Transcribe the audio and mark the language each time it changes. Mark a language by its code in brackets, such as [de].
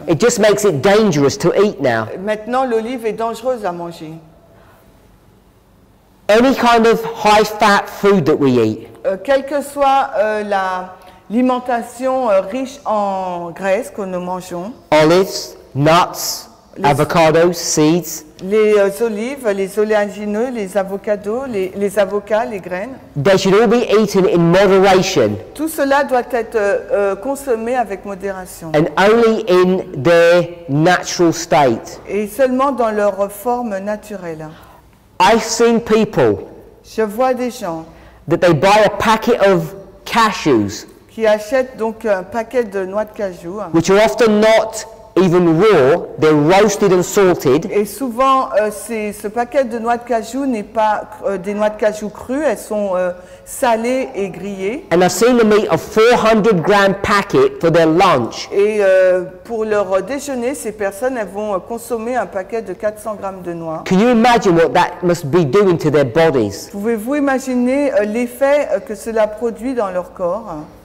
[en] It just makes it dangerous to eat now. [fr] Maintenant l'olive est dangereuse à manger. [en] Any kind of high fat food that we eat. [fr] Quel que soit la l'alimentation riche en graisse que nous mangeons. [en] Olives, nuts, avocados, seeds. [fr] Les olives, les oléagineux, les avocados, les avocats, les graines. [en] They should all be eaten in moderation. [fr] Tout cela doit être consommé avec modération. [en] And only in their natural state. [fr] Et seulement dans leur forme naturelle. [en] I've seen people. [fr] Je vois des gens. [en] That they buy a packet of cashews. [fr] Qui achètent donc un paquet de noix de cajou. [en] Which are often not even raw, they're roasted and salted. [fr] Et souvent, ce paquet de noix de cajou n'est pas des noix de cajou crues, elles sont salées et grillées. [en] And I've seen them eat a 400 gram packet for their lunch. [fr] Et pour leur déjeuner, ces personnes, elles vont consommer un paquet de 400 grammes de noix. [en] Can you imagine what that must be doing to their bodies? [fr] Pouvez-vous imaginer l'effet que cela produit dans leur corps?